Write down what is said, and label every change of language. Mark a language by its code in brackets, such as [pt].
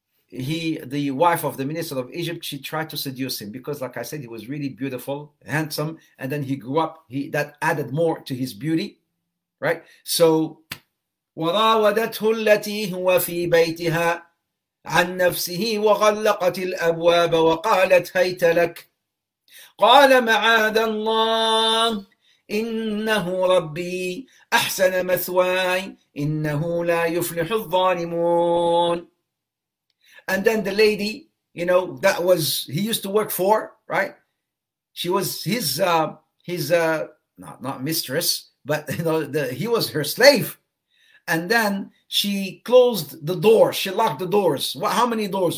[en] The wife of the minister of Egypt, she tried to seduce him because, like I said, he was really beautiful, handsome, and then he grew up, that added more to his beauty, right? So, [ar] وراودته التي هو في بيتها عن نفسه وغلقت الأبواب وقالت هيت لك قال معاذ الله إنه ربي أحسن مثواي إنه لا يفلح الظالمون. [en] And then the lady, that was he used to work for, right? She was his not mistress, but he was her slave. And then she closed the door. She locked the doors. How many doors?